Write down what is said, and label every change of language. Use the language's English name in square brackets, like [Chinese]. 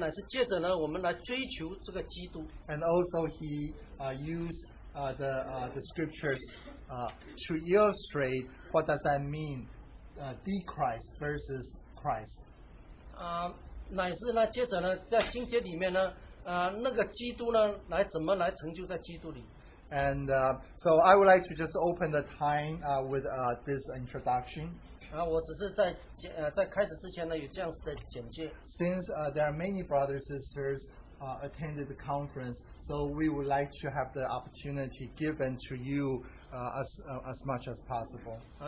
[Chinese] 我们Dana弟兄呢，他所分享的，就是说能够来认识我是谁呢，乃是借着呢我们来追求这个基督。 [English] And also he used the scriptures to illustrate what does that mean, the Christ versus Christ. [Chinese] 乃是呢，接着呢，在经节里面呢，那个基督呢，来怎么来成就在基督里。 [English] And so I would like to just open the time with this introduction. [Chinese] 我只是在开始之前呢，有这样子的简介。 [English] Since there are many brothers and sisters attended the conference, so we would like to have the opportunity given to you as much as possible.